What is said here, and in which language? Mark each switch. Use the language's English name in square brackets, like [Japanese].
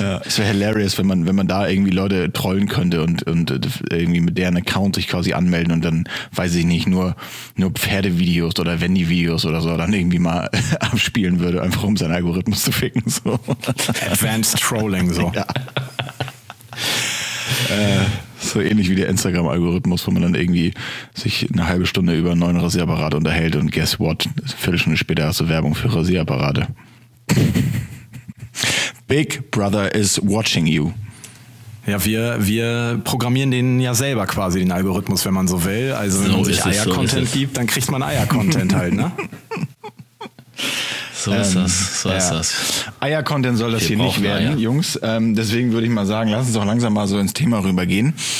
[German] Ja, es wäre hilarious, wenn man da irgendwie Leute trollen könnte und irgendwie mit deren Account sich quasi anmelden und dann, weiß ich nicht, nur Pferdevideos oder Wendy-Videos oder so dann irgendwie mal abspielen würde, einfach um seinen Algorithmus zu ficken. So. Advanced Trolling, so. Ja. So ähnlich wie der Instagram-Algorithmus, wo man dann irgendwie sich eine halbe Stunde über einen neuen Rasierapparat unterhält und [English] guess what, [German] Viertelstunde später hast du Werbung für Rasierapparate. [English] Big Brother is watching you. [German] Ja, wir programmieren den ja selber quasi, den Algorithmus, wenn man so will. Also wenn man sich Eier-Content gibt, dann kriegt man Eier-Content halt, ne? So ist das, so ist das. Eier-Content soll das hier nicht werden, Jungs. Deswegen würde ich mal sagen, lass uns doch langsam mal so ins Thema rübergehen.